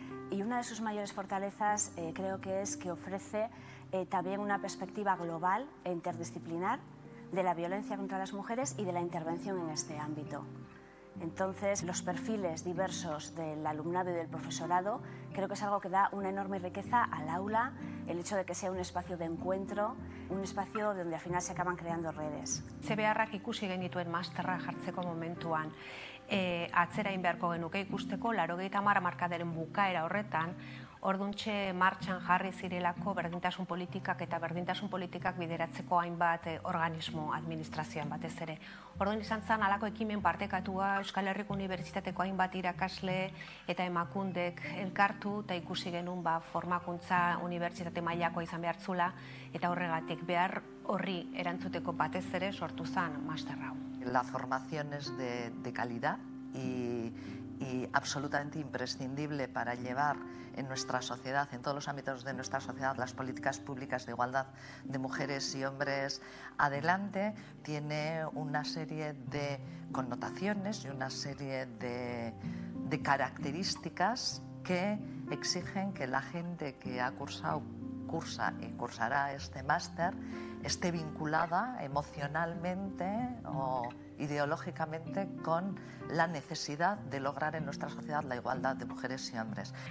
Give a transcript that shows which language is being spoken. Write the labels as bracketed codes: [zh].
[es] Y una de sus mayores fortalezas creo que es que ofrece también una perspectiva global e interdisciplinar de la violencia contra las mujeres y de la intervención en este ámbito. Entonces, los perfiles diversos del alumnado y del profesorado creo que es algo que da una enorme riqueza al aula, el hecho de que sea un espacio de encuentro, un espacio donde al final se acaban creando redes. [eu] Se ve a Rakikus y Genituen Masterra, Jartzeko Momentuan. Atzera egin beharko genuke ikusteko 80 markadaren bukaera horretan orduntxe martxan jarri zirelako berdintasun politikak eta berdintasun politikak bideratzeko hainbat organismo administrazioan batez ere. Orduan izan zen halako ekimen partekatua Euskal Herriko Unibertsitateko hainbat irakasle eta emakundek elkartu eta ikusi genuen ba, formakuntza unibertsitate mailako izan behartzula eta horregatik behar horri erantzuteko batez ere sortu zen master hau. [es] La formación es de calidad y absolutamente imprescindible para llevar en nuestra sociedad, en todos los ámbitos de nuestra sociedad, las políticas públicas de igualdad de mujeres y hombres adelante. Tiene una serie de connotaciones y una serie de características que exigen que la gente que ha cursado, cursa y cursará este máster, esté vinculada emocionalmente o ideológicamente con la necesidad de lograr en nuestra sociedad la igualdad de mujeres y hombres.